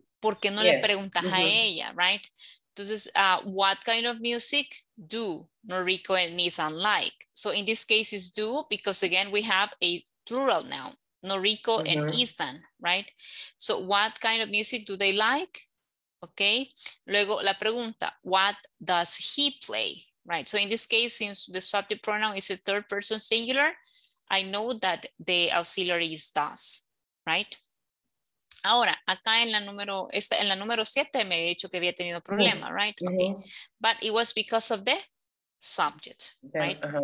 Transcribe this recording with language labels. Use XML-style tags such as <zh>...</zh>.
<es>¿Por qué no le preguntas a ella,</es> <en>right? Entonces, what kind of music do Noriko and Nathan like? So in this case it's do, because again, we have a plural noun, Noriko and Ethan, right? So what kind of music do they like? Okay,</en> <es>luego la pregunta,</es> <en>what does he play, right? So in this case, since the subject pronoun is a third person singular, I know that the auxiliary is does, right?</en> <es>Ahora, acá en la número 7 me he dicho que había tenido problema, right?</es> <en>Okay. But it was because of the subject, right?</en>